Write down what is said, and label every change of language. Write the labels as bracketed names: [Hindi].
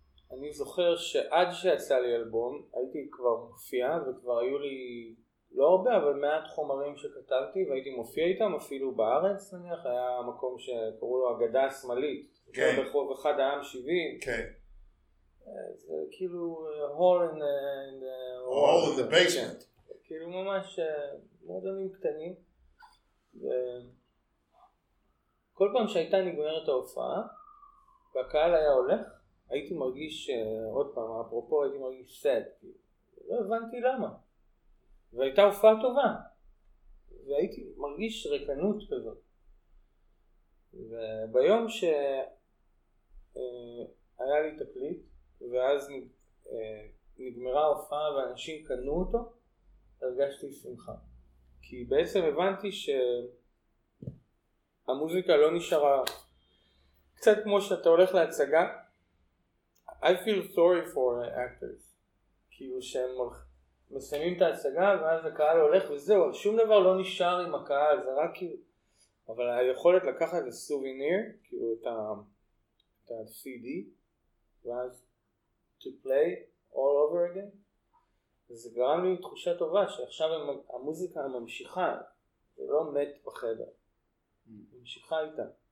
[Hebrew] אני זוכר שעד שיצא לי אלבום, הייתי כבר מופיע, וכבר היו לי לא הרבה, אבל מעט חומרים שכתבתי, והייתי מופיע איתם, אפילו בארץ נניח, היה מקום שקראו לו הגדה השמאלית. כן. ברחוב אחד העם 70. כן. זה כאילו [English] hole in the... hole in the basement. [Hebrew] כאילו ממש מועדונים קטנים. כל פעם שהייתה נגמרת ההופעה, והקהל היה הולך, הייתי מרגיש, עוד פעם, אפרופו, הייתי מרגיש sad. לא הבנתי למה. והייתה הופעה טובה. והייתי מרגיש רקנות כזאת. וביום שהיה לי תקליט, ואז נגמרה ההופעה ואנשים קנו אותו, הרגשתי שמחה. כי בעצם הבנתי שהמוזיקה לא נשארה. קצת כמו שאתה הולך להצגה, [English] I feel sorry for the actors. [Hebrew] כאילו שהם מסיימים את ההצגה, ואז הקהל הולך וזהו, שום דבר לא נשאר עם הקהל, זה רק כאילו... אבל היכולת לקחת את הסוביניר, כאילו את ה-CD, ואז [English] to play all over again, [Hebrew] זה גרם לי תחושה טובה, שעכשיו המוזיקה ממשיכה, זה לא מת בחדר. ממשיכה איתה.